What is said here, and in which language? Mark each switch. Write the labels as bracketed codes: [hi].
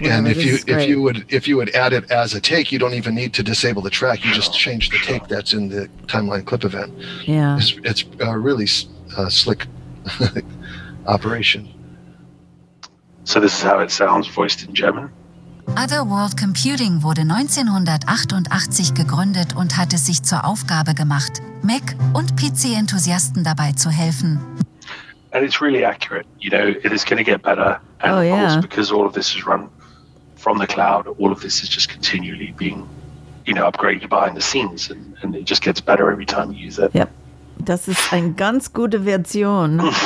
[en] yeah, and if you would add it as a take, you don't even need to disable the track. You just change the take that's in the timeline clip event. Yeah, it's a really slick operation. So this is how it sounds voiced in German. [de] Otherworld Computing wurde 1988 gegründet und hat es sich zur Aufgabe gemacht, Mac und PC-Enthusiasten dabei zu helfen. [en] And it's really accurate. You know, it is going to get better. And oh, yeah. Of course, because all of this is run from the cloud, all of this is just continually being, you know, upgraded behind the scenes. And it just gets better every time you use it. [de] Yep. Das ist eine ganz gute Version.